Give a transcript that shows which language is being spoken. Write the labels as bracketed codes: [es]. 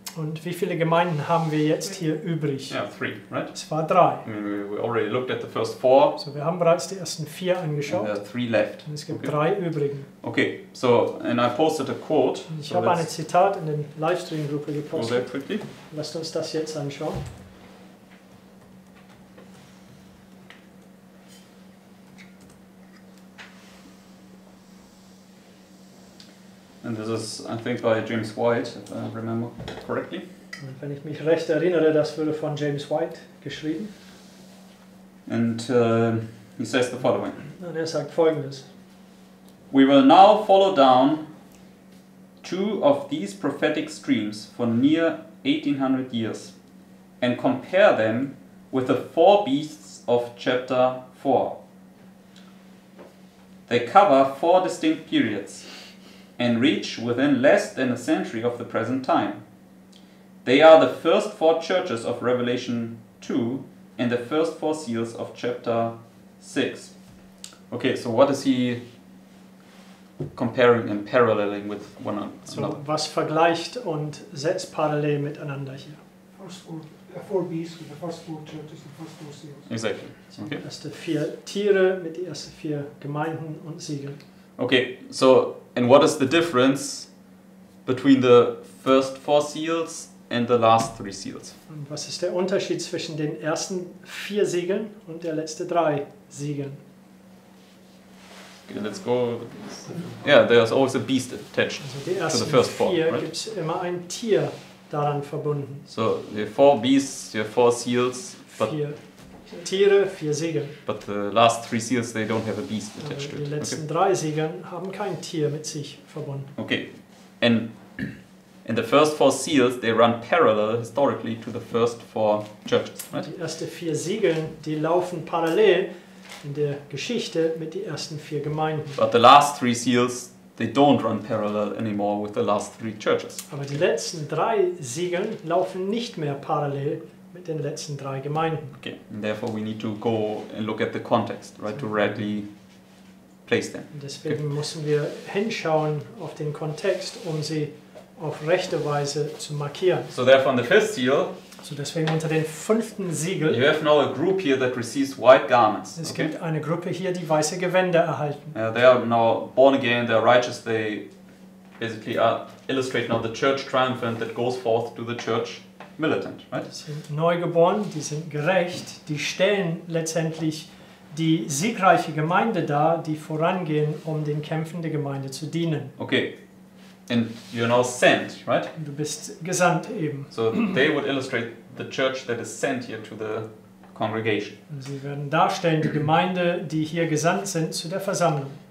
[de] Und wie viele Gemeinden haben wir jetzt hier übrig? [en] Yeah, three, right? [de] Es war drei. [en] I mean, we already looked at the first four. [de] So, wir haben bereits die ersten vier angeschaut. [en] And there are three left. [de] Und es gibt okay. drei übrigen. [en] Okay, so, and I posted a quote. [de] Und ich so habe ein Zitat in den Livestream-Gruppe gepostet. [en] Go there quickly. [de] Lasst uns das jetzt anschauen. [en] And this is, I think, by James White, if I remember correctly. [de] Und wenn ich mich recht erinnere, das wurde von James White geschrieben. [en] And he says the following. [de] Und er sagt Folgendes. [en] We will now follow down two of these prophetic streams for near 1800 years and compare them with the four beasts of chapter 4. They cover four distinct periods and reach within less than a century of the present time. They are the first four churches of Revelation 2 and the first four seals of chapter 6. Okay, so what is he comparing and paralleling with one another? [de] So, was vergleicht und setzt parallel miteinander hier? [en] The four beasts, the first four churches, the first four seals. Exactly. Okay. [de] Die erste vier Tiere mit die ersten vier Gemeinden und Siegeln. [en] Okay, so, and what is the difference between the first four seals and the last three seals? [de] Und was ist der Unterschied zwischen den ersten vier Siegeln und der letzten drei Siegeln? [en] Okay, let's go. Yeah, there's always a beast attached [de] also die ersten [en] to the first four, [de] vier, [en] right? [de] Gibt's immer ein Tier daran verbunden. [en] So, you have four beasts, you have four seals, but [de] vier. Tiere, vier Siegel. [en] But the last three seals, they don't have a beast attached to it. [de] Die letzten drei Siegel haben kein Tier mit sich verbunden. Okay. [en] And the first four seals, they run parallel historically to the first four churches, right? [de] Die ersten vier Siegel, die laufen parallel in der Geschichte mit den ersten vier Gemeinden. [en] But the last three seals, they don't run parallel anymore with the last three churches. [de] Aber die letzten drei Siegel laufen nicht mehr parallel mit den letzten drei Gemeinden. [en] Okay, and therefore we need to go and look at the context, right, to rightly place them. [de] Deswegen müssen wir hinschauen auf den Kontext, um sie auf rechte Weise zu markieren. [en] So therefore on the fifth seal. [de] So deswegen unter den fünften Siegel. [en] You have now a group here that receives white garments. [de] Es gibt eine Gruppe hier, die weiße Gewänder erhalten. [en] They are now born again. They are righteous. They basically are illustrating now the church triumphant that goes forth to the church. militant, right? [de] Die sind neugeboren, die sind gerecht, die stellen letztendlich die siegreiche Gemeinde dar, die vorangehen, um den Kämpfen der Gemeinde zu dienen. [en] Okay. And you're now sent, right? [de] Du bist gesandt eben. [en] So they would illustrate the church that is sent here to the congregation. [de] Und sie werden darstellen die Gemeinde, die hier gesandt sind zu der Versammlung.